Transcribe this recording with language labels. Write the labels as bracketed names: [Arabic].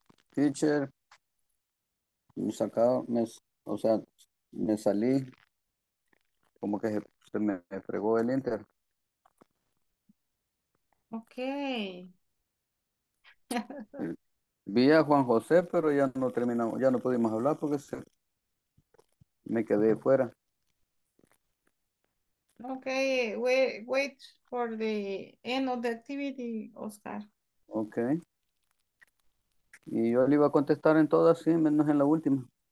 [Spanish] Teacher, me sacado, me, o sea, me salí, como que se me fregó el inter. [English] Okay. [Spanish] Vi a Juan José, pero ya no terminamos, ya no pudimos hablar porque se me quedé fuera. [English] Okay, wait for the end of the activity, Oscar. Okay. [Spanish] Y yo le iba a contestar en todas, sí, menos en la última.